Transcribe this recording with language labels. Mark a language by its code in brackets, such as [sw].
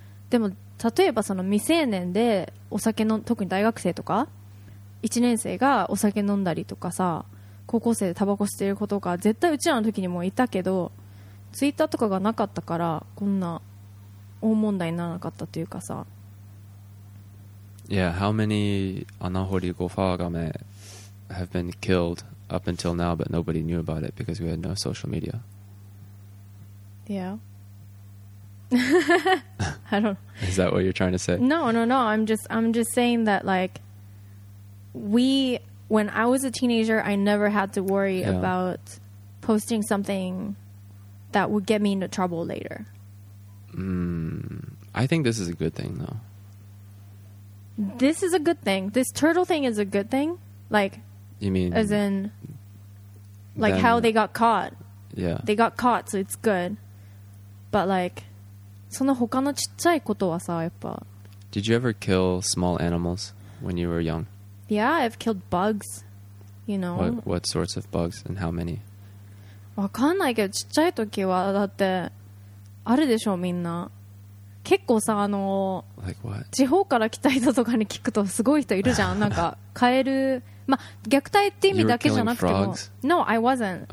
[ja] でも例えばその未成年でお酒の、特に大学生とか1年生がお酒飲んだりとかさ、高校生でタバコ吸ってる子とか絶対うちらの時にもいたけど、ツイッターとかがなかったからこんな大問題にならなかったというかさ。 [en] Yeah, how many Anahori GofagameHave been killed up until now, but nobody knew about it because we had no social media. Yeah. I don't. Is that what you're trying to say? No. I'm just saying that, like, when I was a teenager, I never had to worry about posting something that would get me into trouble later. I think this is a good thing, though. This is a good thing. This turtle thing is a good thing. Like. You mean as in, like, them, how they got caught? Yeah, they got caught, so it's good. But like, [ja] その他のちっちゃいことはさ、やっぱ。 [en] Did you ever kill small animals when you were young? Yeah, I've killed bugs. You know what sorts of bugs and how many? [ja] わかんないけど、ちっちゃい時はだってあるでしょ、みんな。結構さ、 [en] like、what? [ja] 地方から来た人とかに聞くとすごい人いるじゃん。なんかカエル、ま、虐待って意味だけじゃなくても、 [en] No, I wasn't、oh.